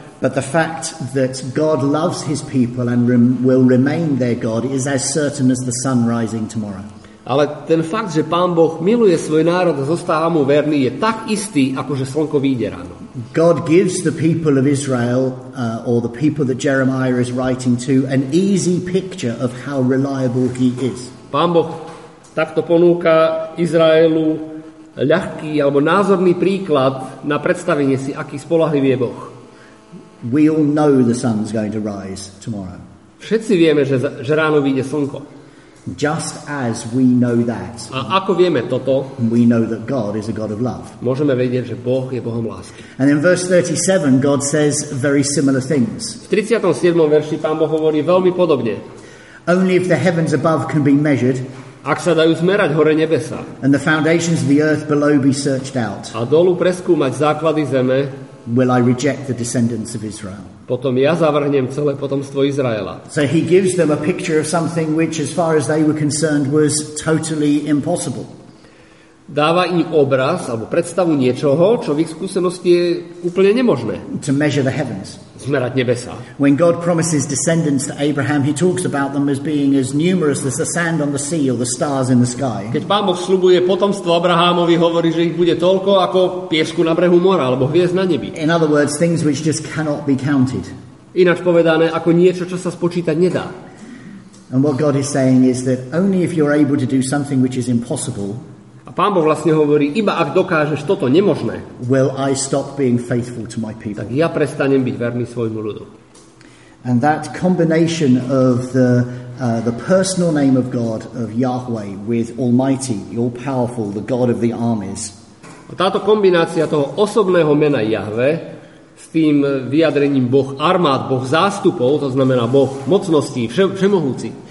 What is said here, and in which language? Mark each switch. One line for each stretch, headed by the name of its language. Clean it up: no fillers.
English: But the fact that God loves his people and will remain their God is as certain as the sun rising tomorrow.
Slovak: Ale ten fakt, že Pán Boh miluje svoj národ a zostáva mu verný, je tak istý, ako že slnko vyjde ráno.
English: God gives the people of Israel, or the people that Jeremiah is writing to, an easy picture of how reliable he is.
Slovak: Pán Boh takto ponúka Izraelu ľahký alebo názorný príklad na predstavenie si, aký spoľahlivý je Boh.
English: We all know the sun's going to rise tomorrow.
Slovak: Všetci vieme, že ráno vyjde slnko.
English: Just as we know that.
Slovak: A ako vieme toto?
English: We know that God is a God of love.
Slovak: Môžeme vedieť, že Boh je Bohom lásky.
English: And in verse 37 God says very similar things.
Slovak: V 37. verši Pán Boh hovorí veľmi podobne.
English: Only if the heavens above can be measured.
Slovak: Ak sa dajú zmerať hore nebesa.
English: And the foundations of the earth below be searched out.
Slovak: A dolu preskúmať základy zeme.
English: Will I reject the descendants of Israel?
Slovak: Potom ja zavrhnem celé potomstvo Izraela.
English: So he gives them a picture of something which as far as they were concerned was totally impossible.
Slovak: Dáva im obraz alebo predstavu niečoho, čo v ich skúsenosti je úplne nemožné.
English: To measure the heavens.
Slovak: Zmerať nebesa.
English: When God promises descendants to Abraham, he talks about them as being as numerous as the sand on the sea or the stars in the sky.
Slovak: Keď Pán Boh sľubuje potomstvo Abrahamovi, hovorí, že ich bude toľko ako piesku na brehu mora alebo hviezd na nebi.
English: In other words, things which just cannot be counted.
Slovak: Ináč povedané, ako niečo, čo sa spočítať nedá.
English: And what God is saying is that only if you're able to do something which is impossible.
Slovak: A Pán Boh vlastne hovorí, iba ak dokážeš toto nemožné,
English: will I stop being faithful to my people?
Slovak: Tak ja prestanem byť verný svojmu ľudu.
English: And that combination of the personal name of God, of Yahweh, with Almighty, all powerful, the God of the armies.
Slovak: A táto kombinácia toho osobného mena Jahve s tým vyjadrením Boh armád, Boh zástupov, to znamená Boh mocností, všemohúci,